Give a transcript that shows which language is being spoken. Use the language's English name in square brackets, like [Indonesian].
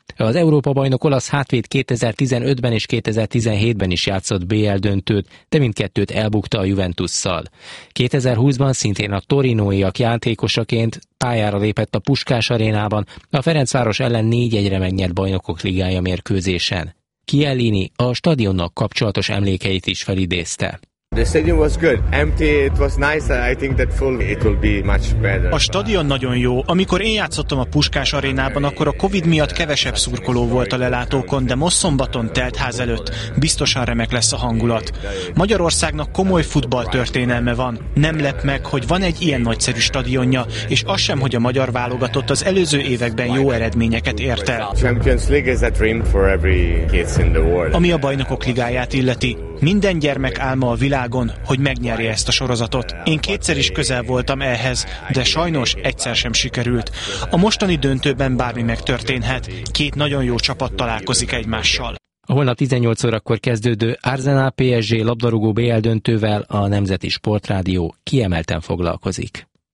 [Hungarian] Az Európa-bajnok olasz hátvéd 2015-ben és 2017-ben is játszott BL döntőt, de mindkettőt elbukta a Juventusszal. 2020-ban szintén a torinóiak játékosaként pályára lépett a Puskás Arénában, a Ferencváros ellen 4-1-re megnyert bajnokok ligája mérkőzésen. Chiellini a stadionnak kapcsolatos emlékeit is felidézte. [English] The stadium was good. Empty, it was nice. I think that full it will be much better. [Hungarian] A stadion nagyon jó. Amikor én játszottam a Puskás Arénában, akkor a Covid miatt kevesebb szurkoló volt a lelátókon, de most szombaton telt ház előtt. Biztosan remek lesz a hangulat. Magyarországnak komoly futballtörténelme van. Nem lep meg, hogy van egy ilyen nagyszerű stadionja, és az sem, hogy a magyar válogatott az előző években jó eredményeket ért el. [English] Champions League is a dream for every kids in the world. [Hungarian] Ami a bajnokok ligáját illeti. Minden gyermek álma a világon, hogy megnyerje ezt a sorozatot. Én kétszer is közel voltam ehhez, de sajnos egyszer sem sikerült. A mostani döntőben bármi megtörténhet. Két nagyon jó csapat találkozik egymással. A holnap 18 órakor kezdődő Arsenal PSG labdarúgó BL döntővel a Nemzeti Sportrádió kiemelten foglalkozik.